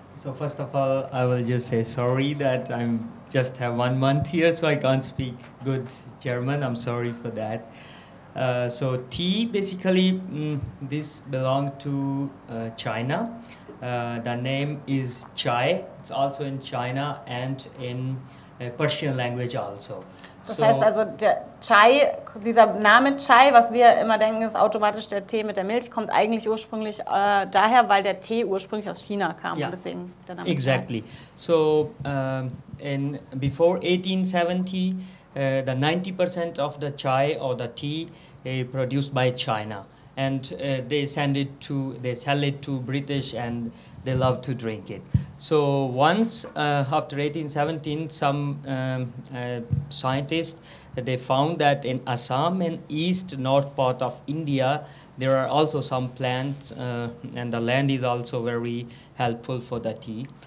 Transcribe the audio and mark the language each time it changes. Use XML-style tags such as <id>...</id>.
<en>So first of all, I will just say sorry that I'm just have 1 month here, so I can't speak good German. I'm sorry for that. So tea, basically, this belong to China. The name is chai. It's also in China and in Persian language also.</en> <de>Das heißt also, der Chai, dieser Name Chai, was wir immer denken, ist automatisch der Tee mit der Milch, kommt eigentlich ursprünglich daher, weil der Tee ursprünglich aus China kam.</de> <en>Yeah.</en> <de>Deswegen der Name</de> <en>exactly. Chai. So, in before 1870, the 90% of the chai or the tea produced by China. And they send it to, they sell it to British and they love to drink it. So once after 1817, some scientists, they found that in Assam and east north part of India, there are also some plants and the land is also very helpful for the tea.</en>